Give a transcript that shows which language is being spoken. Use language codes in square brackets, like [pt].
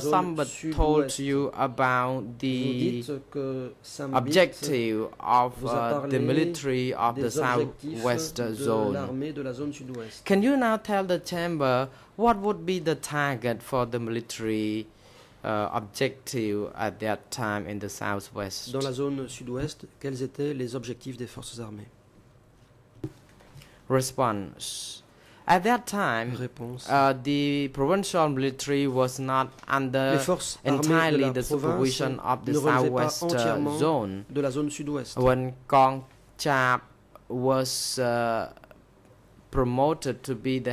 [en] Sambat told you about the objective of the military of the southwest zone. Can you now tell the chamber what would be the target for the military objective at that time in the southwest? [fr] Dans la zone sud-ouest, quels étaient les objectifs des forces armées? [en] Response. At that time, the provincial military was not under entirely the supervision of the southwest zone. [fr] De la zone sud-ouest. [en] When Kong Chap was promoted to be the